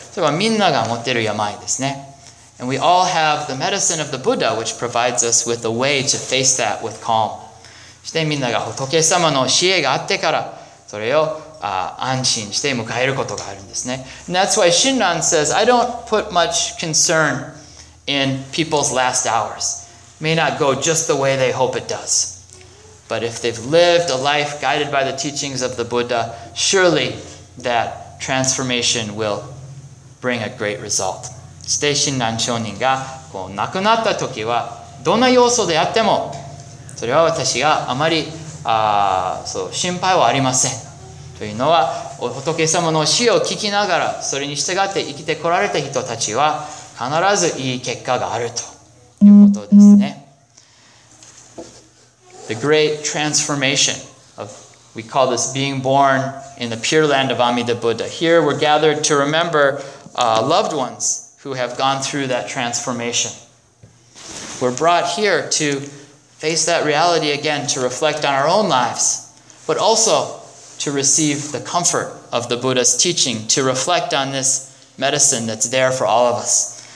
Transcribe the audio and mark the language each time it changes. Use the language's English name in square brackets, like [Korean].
[Japanese] それはみんなが持ってる病ですね。 [English] And we all have the medicine of the Buddha, which provides us with a way to face that with calm. [Japanese] そしてみんなが仏様の教えがあってから、それを安心して迎えることがあるんですね。 [English] And that's why Shinran says, I don't put much concern in people's last hours. May not go just the way they hope it does. But if they've lived a life guided by the teachings of the Buddha, surely that transformation will bring a great result. [Japanese] して親鸞聖人がこう亡くなった時はどんな要素であってもそれは私があまりそう心配はありませんというのは、お仏様の死を聞きながらそれに従って生きてこられた人たちは必ずいい結果があるということですね。 [English] The great transformation of We call this being born in the pure land of Amida Buddha. Here we're gathered to remember loved ones who have gone through that transformation. We're brought here to face that reality again, to reflect on our own lives, but also to receive the comfort of the Buddha's teaching, to reflect on this medicine that's there for all of us.